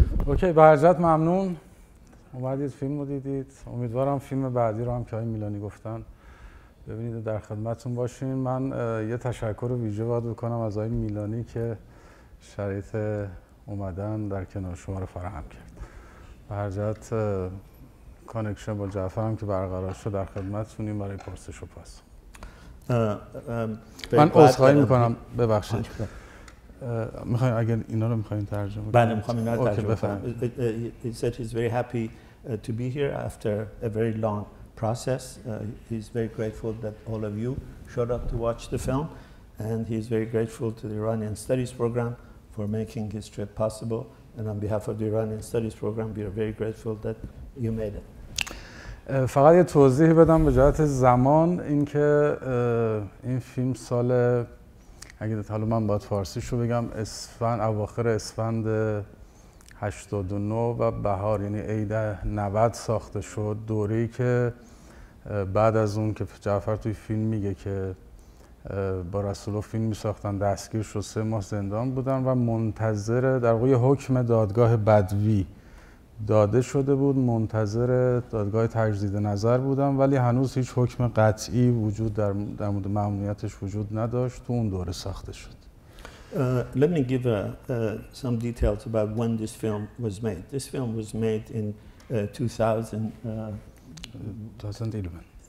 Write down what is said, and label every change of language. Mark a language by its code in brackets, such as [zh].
[fa] اوکی به عزت ممنون اومدید فیلم رو دیدید امیدوارم فیلم بعدی رو هم که آقای میلانی گفتن ببینید در خدمتتون باشین من یه تشکر ویژه باید بکنم از آقای میلانی که شرایط اومدن در کنار شما رو فراهم کرد برجت کانکشن با جعفر هم که برقرار شد در خدمتتونیم برای پرسش و پاس من عذرخواهی میکنم ببخشید میخواین اگر اینا رو میخواین ترجمه کنید بله میخوام اینا رو ترجمه کنم [en] he's very happy to be here after a very long process he's very grateful that all of you showed up to watch the film and he's very grateful to the Iranian studies program for making his trip possible and on behalf of the Iranian studies program we are very grateful that you made it [fa] فقط یه توضیح بدم به جهت زمان اینکه این فیلم سال اگه دیگه حالا من باید فارسیشو بگم اسفند اواخر اسفند 89 و بهار یعنی عید 90 ساخته شد دوره‌ای که بعد از اون که جعفر توی فیلم میگه که با رسولو فیلم می‌ساختن دستگیر شد 3 ماه زندان بودن و منتظر در واقع حکم دادگاه بدوی داده شده بود منتظر دادگاه تجدید نظر بودم ولی هنوز هیچ حکم قطعی وجود در مورد ممنوعیتش وجود نداشت تو اون دوره ساخته شد [en] Let me give some details about when this film was made. This film was made in 2011.